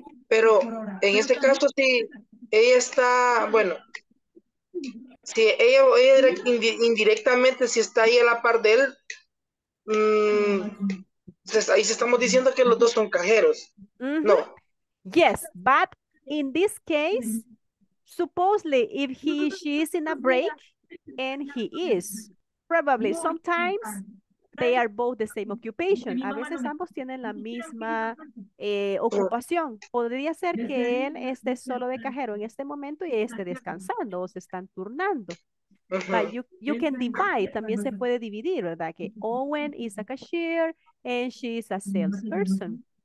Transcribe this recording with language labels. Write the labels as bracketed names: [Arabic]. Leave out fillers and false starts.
[Spanish] Pero en este caso, si ella está, bueno, si ella, ella indirectamente, si está ahí a la par de él, ahí estamos diciendo que los dos son cajeros. Mm-hmm. No. [English] Yes, but in this case, supposedly, if he, she is in a break, and he is, probably sometimes they are both the same occupation. [Spanish] A veces ambos tienen la misma ocupación. Podría ser que él esté solo de cajero en este momento y esté descansando o se están turnando. [English] But you can divide. [Spanish] También se puede dividir, ¿verdad? [English] Que Owen is a cashier and she is a salesperson.